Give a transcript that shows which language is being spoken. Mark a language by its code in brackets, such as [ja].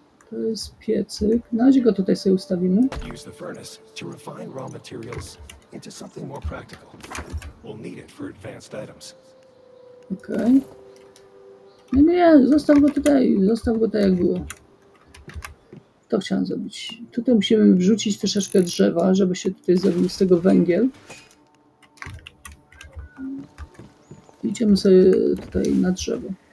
[pl] To jest piecyk. Na razie go tutaj sobie ustawimy. [en] Use the furnace to refine raw materials into something more practical. We'll need it for advanced items. [pl] Okej. Nie, nie, zostaw go tutaj, jak było. To chciałem zrobić. Tutaj musimy wrzucić troszeczkę drzewa, żeby się tutaj zrobił z tego węgiel. Idziemy sobie tutaj na drzewo.